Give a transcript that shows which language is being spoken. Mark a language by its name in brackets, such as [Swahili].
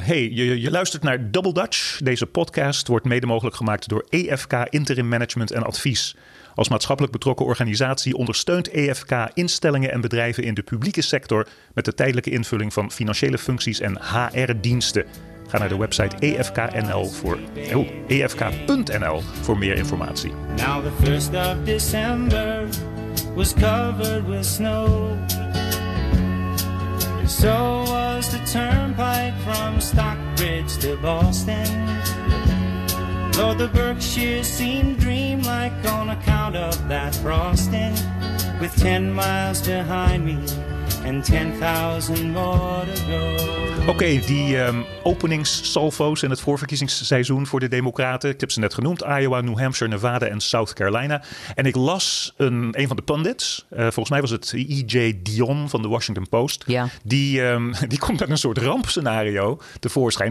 [Dutch] Hey, je luistert naar Double Dutch. Deze podcast wordt mede mogelijk gemaakt door EFK Interim Management en Advies. Als maatschappelijk betrokken organisatie ondersteunt EFK instellingen en bedrijven in de publieke sector met de tijdelijke invulling van financiële functies en HR-diensten. Ga naar de website EFK.nl EFK.nl voor meer informatie. [English] Now the 1st of December was covered with snow. So was the turnpike from Stockbridge to Boston. Though the Berkshire seemed dreamlike on account of that frosting, with 10 miles behind me and 10,000 more to go. [Dutch] Oké, die openingssalvo's in het voorverkiezingsseizoen voor de Democraten. Ik heb ze net genoemd. Iowa, New Hampshire, Nevada en South Carolina. En ik las een van de pundits. Volgens mij was het E.J. Dion van de Washington Post. Ja. Die komt met een soort rampscenario tevoorschijn.